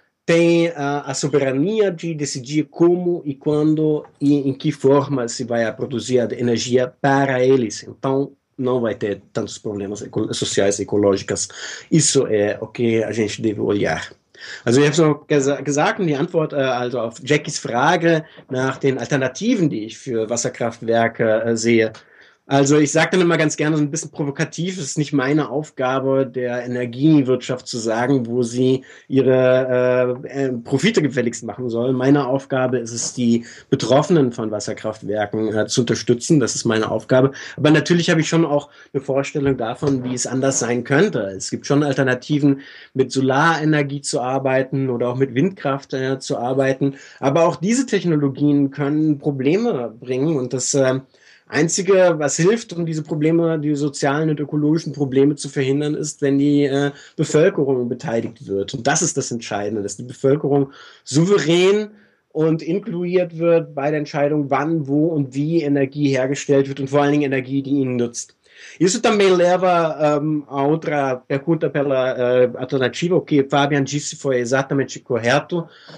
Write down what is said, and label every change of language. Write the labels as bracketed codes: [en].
[pt] tem a soberania de decidir como e quando e em que forma se vai produzir a energia para eles. Então, não vai ter tantos problemas sociais e ecológicos. Isso é o que a gente deve olhar. [de] Also ich habe schon gesagt, die Antwort also auf Jackies Frage nach den Alternativen, die ich für Wasserkraftwerke sehe. Also ich sage dann immer ganz gerne so ein bisschen provokativ, es ist nicht meine Aufgabe der Energiewirtschaft zu sagen, wo sie ihre Profite gefälligst machen soll. Meine Aufgabe ist es, die Betroffenen von Wasserkraftwerken zu unterstützen. Das ist meine Aufgabe. Aber natürlich habe ich schon auch eine Vorstellung davon, wie es anders sein könnte. Es gibt schon Alternativen, mit Solarenergie zu arbeiten oder auch mit Windkraft zu arbeiten. Aber auch diese Technologien können Probleme bringen und das Einzige, was hilft, um diese Probleme, die sozialen und ökologischen Probleme zu verhindern, ist, wenn die Bevölkerung beteiligt wird. Und das ist das Entscheidende, dass die Bevölkerung souverän und inkluiert wird bei der Entscheidung, wann, wo und wie Energie hergestellt wird und vor allen Dingen Energie, die ihnen nutzt. [pt] Isso também leva a outra pergunta pela alternativa, o que Fabian disse foi exatamente correto.